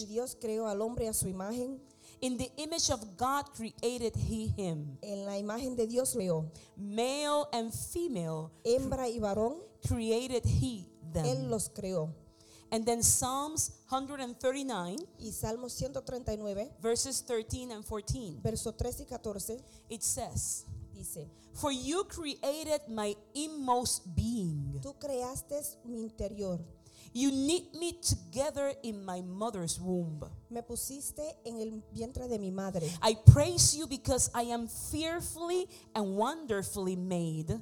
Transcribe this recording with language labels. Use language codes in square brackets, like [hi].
[es] Y Dios creó al hombre a su imagen. [en] In the image of God created he him. [es] En la imagen de Dios creó. [en] Male and female. [es] Hembra y varón. [en] Created he them. [es] Él los creó. [en] And then Psalms 139. [es] Y Salmos 139. [en] Verses 13 and 14. [es] Verso 13 y 14. [en] It says. [es] Dice. [en] For you created my inmost being. [es] Tú creaste mi interior. [en] You knit me together in my mother's womb. [es] Me pusiste en el vientre de mi madre. [en] I praise you because I am fearfully and wonderfully made.